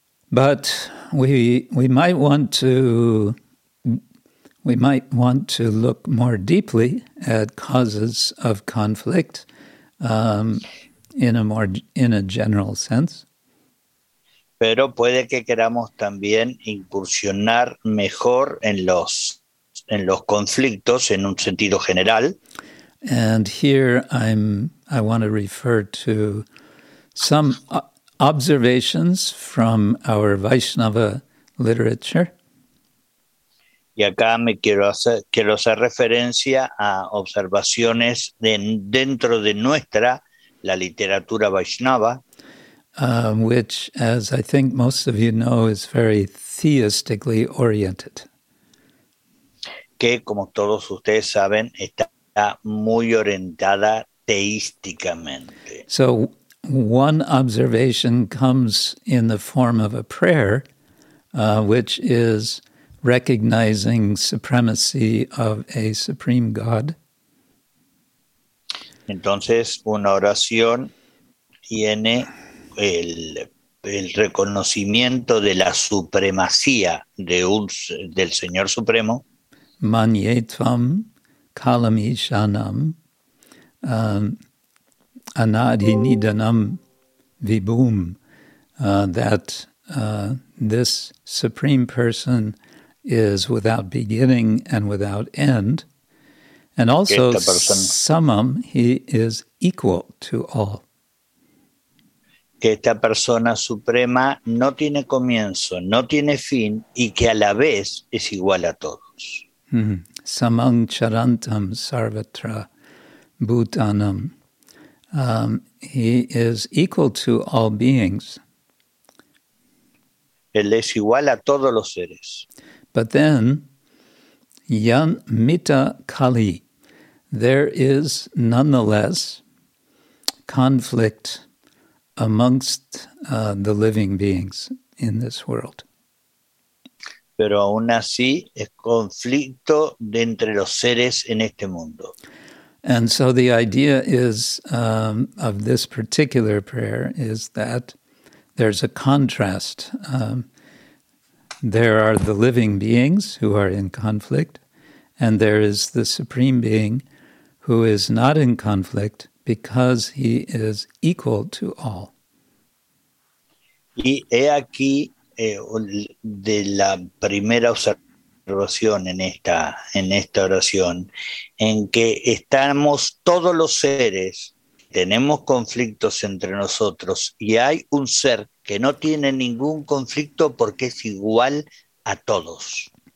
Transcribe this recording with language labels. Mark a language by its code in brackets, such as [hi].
[en] But we might want to look more deeply at causes of conflict in a general sense. [es] Pero puede que queramos también incursionar mejor en los conflictos en un sentido general. [en] And here I want to refer to some observations from our Vaishnava literature. [es] Y acá me quiero hacer referencia a observaciones dentro de nuestra la literatura Vaishnava, [en] which, as I think most of you know, is very theistically oriented. [es] Que, como todos ustedes saben, está muy orientada teísticamente. [en] So one observation comes in the form of a prayer, which is recognizing supremacy of a supreme God. [es] Entonces, una oración tiene el reconocimiento de la supremacía del Señor Supremo. [sa] Manyetvam kalamishanam anadi nidanam vibhum, [en] this Supreme Person is without beginning and without end, and also samam, he is equal to all. [es] Que esta persona suprema no tiene comienzo, no tiene fin, y que a la vez es igual a todos. [sa] Samam charantam sarvatra bhutanam. [en] He is equal to all beings. [es] Él es igual a todos los seres. [en] But then, [sa] yan mita kali, [en] there is nonetheless conflict amongst the living beings in this world. [es] Pero aún así es conflicto de entre los seres en este mundo. [en] And so the idea is of this particular prayer is that there's a contrast. There are the living beings who are in conflict, and there is the Supreme Being who is not in conflict because he is equal to all. [es] Y he aquí de la primera observación en esta oración, en que estamos todos los seres, tenemos conflictos entre nosotros, y hay un ser que no tiene ningún conflicto porque es igual a todos.